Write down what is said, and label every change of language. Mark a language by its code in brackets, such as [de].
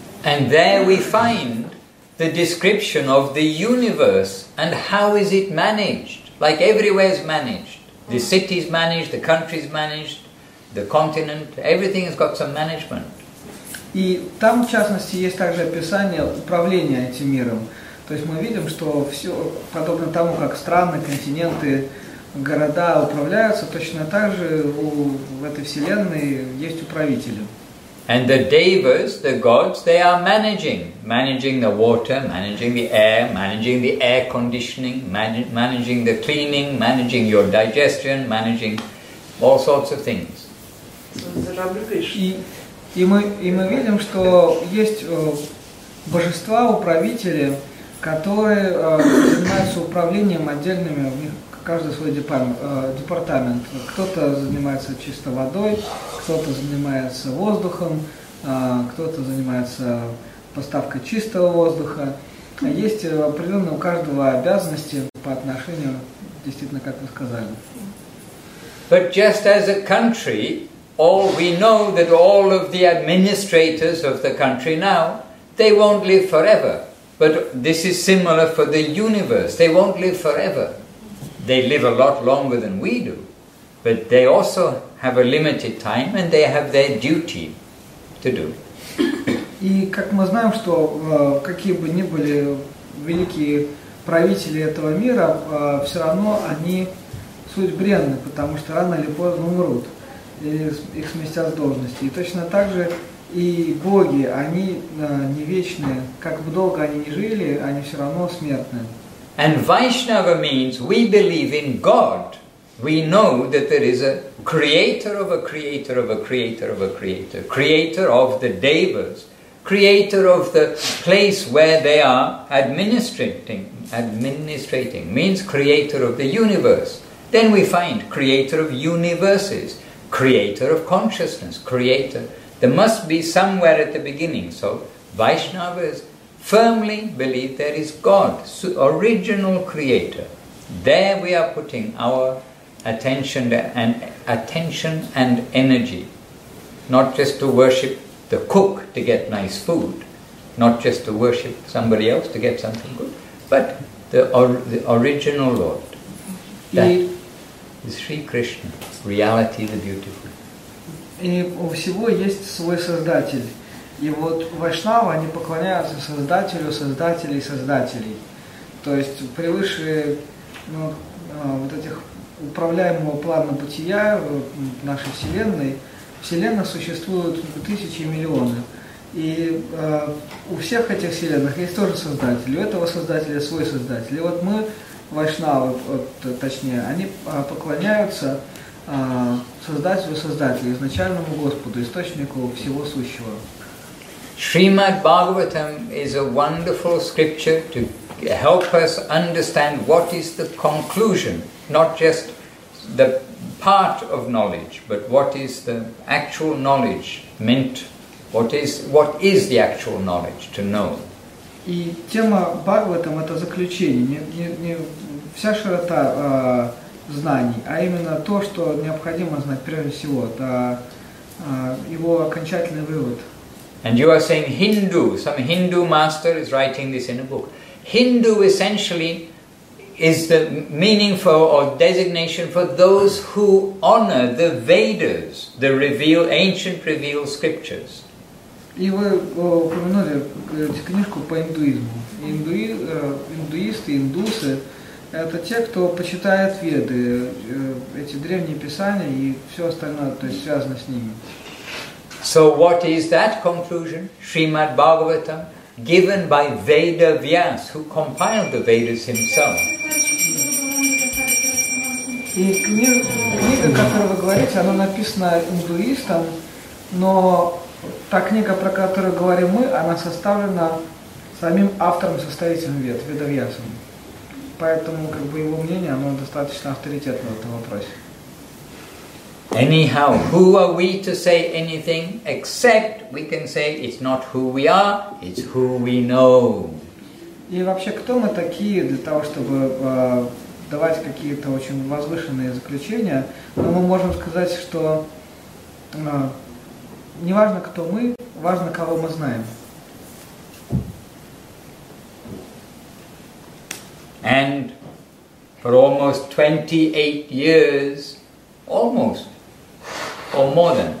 [en] And there we find the description of the universe and how is it managed? Like everywhere is managed. The city is managed, the country is managed, the continent, everything has got some management. [ru] И там, в частности, есть также описание управления этим миром. То есть мы видим, что все подобно тому, как страны, континенты, города управляются, точно так же в этой вселенной есть управители. [en] And the devas, the gods, they are managing the water, managing the air conditioning, managing the cleaning, managing your digestion, managing all sorts of things. [ru] И мы видим, что есть божества, управители, которые занимаются управлением отдельными, у них каждый свой департамент. Кто-то занимается чисто водой, кто-то занимается воздухом, кто-то занимается поставкой чистого воздуха. Есть определенные у каждого обязанности по отношению, действительно, как вы сказали. [en] But just as a country, all we know that all of the administrators of the country now, they won't live forever. But this is similar for the universe. They won't live forever. They live a lot longer than we do. But they also have a limited time and they have their duty to do. [ru] И как мы знаем, что какие бы ни были великие правители этого мира, все равно они суть бренны, потому что рано или поздно умрут, и их сместят с должности. И точно так же и боги, они не вечные. Как бы долго они ни жили, они все равно смертны. [en] And Vaishnava means we believe in God. We know that there is a creator of a creator of a creator of a creator, creator of the devas, creator of the place where they are administrating, means creator of the universe. Then we find creator of universes, creator of consciousness, creator. There must be somewhere at the beginning. So Vaishnavas firmly believe there is God, original creator. There we are putting our attention and energy, not just to worship the cook to get nice food, not just to worship somebody else to get something good, but the original Lord. That is Sri Krishna, reality, the beautiful. [ru] И у всего есть свой создатель. И вот вайшнавы, они поклоняются создателю, создателей, создателей. То есть превыше вот этих управляемого плана бытия нашей Вселенной. Вселенная существует тысячи, миллионы. И у всех этих Вселенных есть тоже создатель. У этого создателя свой создатель. И вот мы, вайшнавы, точнее, они поклоняются создателю, создателю, изначальному Господу, источнику всего сущего. [en] Srimad Bhagavatam is a wonderful scripture to help us understand what is the conclusion, not just the part of knowledge, but what is the actual knowledge meant, what is the actual knowledge to know. [ru] И тема Бхагаватам – это заключение, не вся широта знаний, а именно то, что необходимо знать прежде всего, это его окончательный вывод. [en] And you are saying Hindu, some Hindu master is writing this in a book. Hindu essentially is the meaning for or designation for those who honor the Vedas, the revealed, ancient revealed scriptures. [ru] И вы упомянули книжку по индуизму. Индуисты, индусы, это те, кто почитает Веды, эти древние писания и все остальное, то есть связано с ними. [en] So what is that conclusion, Srimad Bhagavatam, given by Veda Vyas, who compiled the Vedas himself? [ru] И книга, о которой вы говорите, она написана индуистом, но та книга, про которую говорим мы, она составлена самим автором-составителем Вед, Веда Вьясом. Поэтому его мнение, оно достаточно авторитетно в этом вопросе. [en] Anyhow, who are we to say anything except we can say it's not who we are, it's who we know. [ru] И вообще, кто мы такие для того, чтобы давать какие-то очень возвышенные заключения? Но мы можем сказать, что не важно, кто мы, важно, кого мы знаем. [en] And for almost 28 years, almost, or more than.